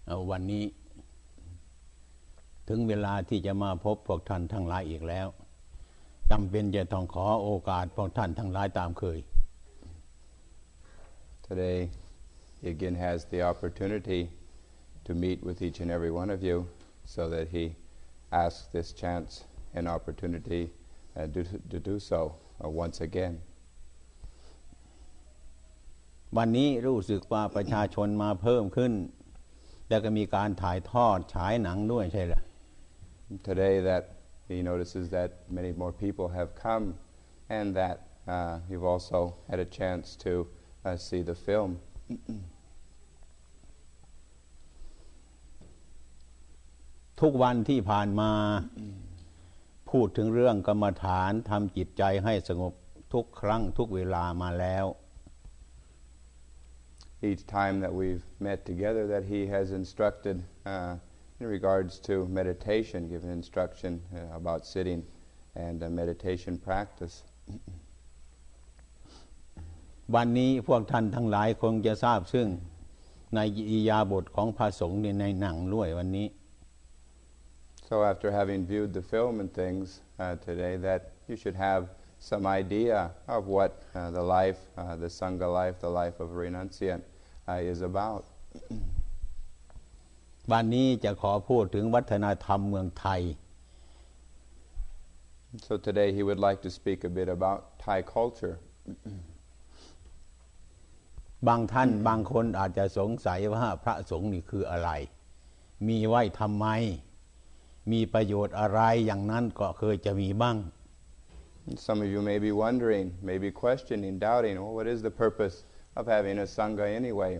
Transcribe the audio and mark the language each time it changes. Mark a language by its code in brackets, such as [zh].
[th] วันนี้ถึงเวลาที่จะมาพบพวกท่านทั้งหลายอีกแล้วจำเป็นจะต้องขอโอกาสพวกท่านทั้งหลายตามเคย [en] Today he again has the opportunity to meet with each and every one of you so that he asks this chance and opportunity to do so once again [th] วันนี้รู้สึกว่าประชาชนมาเพิ่มขึ้นแล้วก็มีการถ่ายทอดฉายหนังด้วยใช่หรือ [en] Today that he notices that many more people have come and that you've also had a chance to see the film [th] ทุกวันที่ผ่านมาพูดถึงเรื่องกรรมฐานทำจิตใจให้สงบทุกครั้งทุกเวลามาแล้ว [en] Each time that we've met together that he has instructed in regards to meditation, given instruction about sitting and meditation practice. [th] วันนี้พวกท่านทั้งหลายคงจะทราบซึ่งในอิยาบถของพระสงฆ์ในหนังด้วยวันนี้ [en] So after having viewed the film and things today that you should have some idea of what the life, the Sangha life, the life of a renunciant is about. [th] วันนี้จะขอพูดถึงวัฒนธรรมเมืองไทย [en] So today he would like to speak a bit about Thai culture. [th] บางท่านบางคนอาจจะสงสัยว่าพระสงฆ์นี่คืออะไรมีไว้ทำไมมีประโยชน์อะไรอย่างนั้นก็เคยจะมีบ้าง [en] Some of you may be wondering, may be questioning, doubting, well, what is the purpose of having a Sangha anyway?